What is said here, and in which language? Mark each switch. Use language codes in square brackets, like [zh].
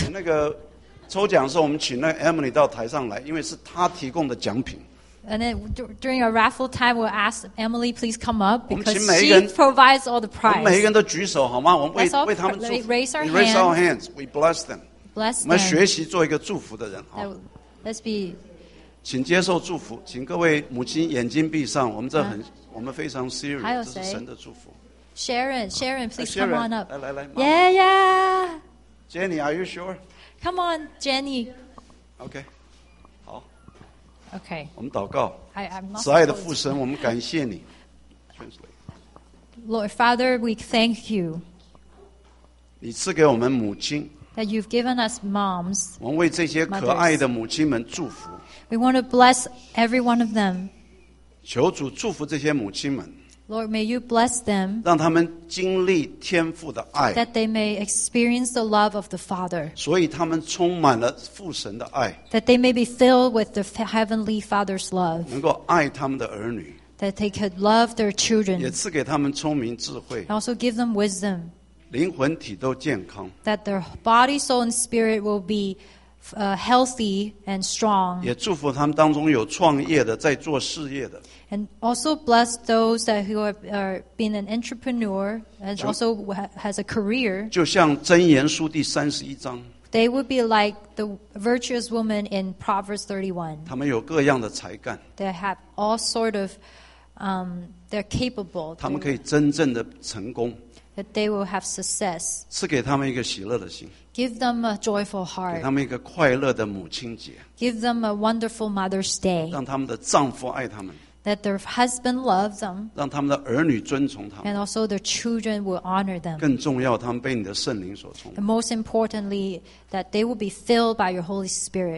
[zh] 那个抽奖的时候，我们请那 Emily 到台上来，因为是她提供的奖品。 [en] And then during a raffle time, we'll ask Emily please come up because she provides all the prize. [zh] 每一个人都举手好吗？我们为他们祝福。 [en] Raise our hands. We bless them. Bless them. [zh] 我们学习做一个祝福的人。 [en] Let's be. [zh] 请接受祝福，请各位母亲眼睛闭上。我们这很我们非常 serious， 这是神的祝福。 [en] Sharon, please come on up. [zh] 来 [en] Yeah. Jenny, are you sure? Come on, Jenny. Okay. [zh] 好。 [en] Okay. [zh] 我们祷告。 [en] I'm not. [zh] 慈爱的父神，我们感谢你。 [en] Translate. Lord Father, we thank you. [zh] 你赐给我们母亲。 [en] That you've given us moms. [zh] 我们为这些可爱的母亲们祝福。 [en] We want to bless every one of them. [zh] 求主祝福这些母亲们。 [en] Lord, may you bless them. [zh] 让他们经历天父的爱。 [en] That they may experience the love of the Father. [zh] 所以他们充满了父神的爱。 [en] That they may be filled with the heavenly Father's love. [zh] 能够爱他们的儿女。 [en] That they could love their children. [zh] 也赐给他们聪明智慧。 [en] And also give them wisdom. [zh] 灵魂体都健康。 [en] That their body, soul, and spirit will be healthy and strong. [zh] 也祝福他们当中有创业的，在做事业的。 [en] And also bless those that who are being an entrepreneur and also has a career. [zh] 就像箴言书第三十一章。 [en] They would be like the virtuous woman in Proverbs 31. [zh] 他们有各样的才干。 [en] They have all sort of, they're capable. [zh] 他们可以真正的成功。 [en] that they will have success. [zh] 赐给他们一个喜乐的心。 [en] Give them a joyful heart. [zh] 给他们一个快乐的母亲节。 [en] Give them a wonderful Mother's Day. [zh] 让他们的丈夫爱他们。 [en] That their husband loves them. [zh] 让他们的儿女尊崇他们。 [en] And also their children will honor them. [zh] 更重要，他们被你的圣灵所充满。 [en] And most importantly, that they will be filled by your Holy Spirit.